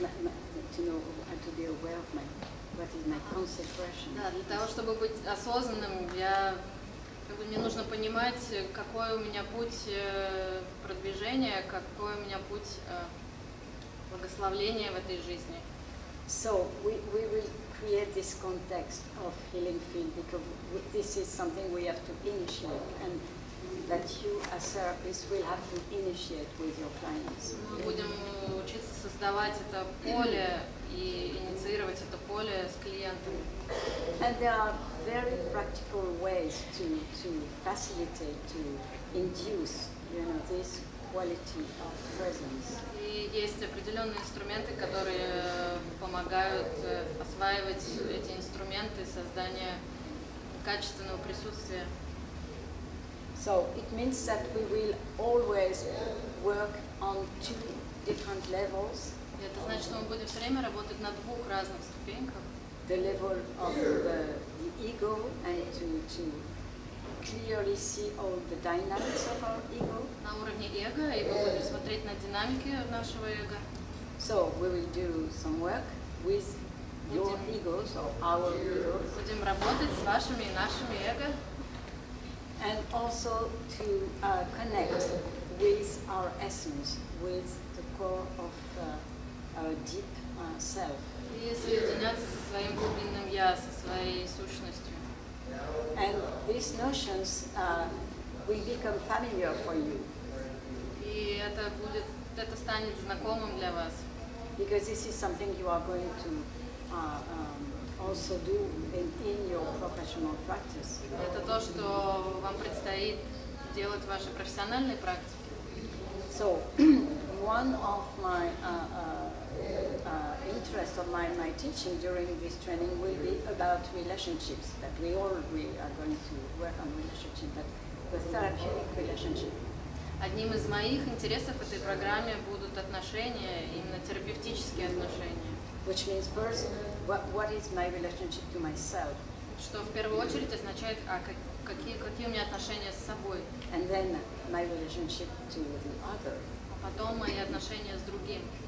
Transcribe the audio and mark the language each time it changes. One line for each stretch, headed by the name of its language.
English: To be aware of what is my consecration.
Russian: Да, для того чтобы быть осознанным, я как бы мне нужно понимать, какой у меня путь продвижения, какой у меня путь благословения в этой жизни.
English: So we will create this context of healing field because this is something we have to initiate and that you as therapist will have to initiate with your clients.
Russian: Мы будем учиться создавать это поле и инициировать это поле с клиентами.
English: And there are very practical ways to facilitate, to induce, you know, this quality of presence.
Russian: И есть определенные инструменты, которые помогают осваивать эти инструменты создания качественного присутствия.
English: So it means that we will always work on two different levels.
Russian: Это значит, что мы будем все время работать на двух разных ступеньках.
English: The level of the ego and to clearly see all the dynamics of our ego.
Russian: На уровне эго, и мы будем смотреть на динамики нашего эго.
English: So we will do some work with your egos or our egos.
Russian: Будем работать с вашими и нашими эго.
English: And also to connect with our essence, with the core of our deep self.
Russian: И соединяться со своим глубинным я, со своей сущностью.
English: And these notions will become familiar for you.
Russian: И это будет, это станет знакомым для вас.
English: Because this is something you are going to also do in your professional practice.
Russian: Это то, что вам предстоит делать в вашей профессиональной практике.
English: So, one of my interest of my teaching during this training will be about relationships, that we all we are going to work on relationships, but the therapeutic relationship.
Russian: Одним из моих интересов в этой программе будут отношения, именно терапевтические отношения.
English: Which means first, what is my relationship to myself?
Russian: Что в первую очередь означает, а какие у меня отношения с собой?
English: And then my relationship to the other.
Russian: А потом мои отношения с другим.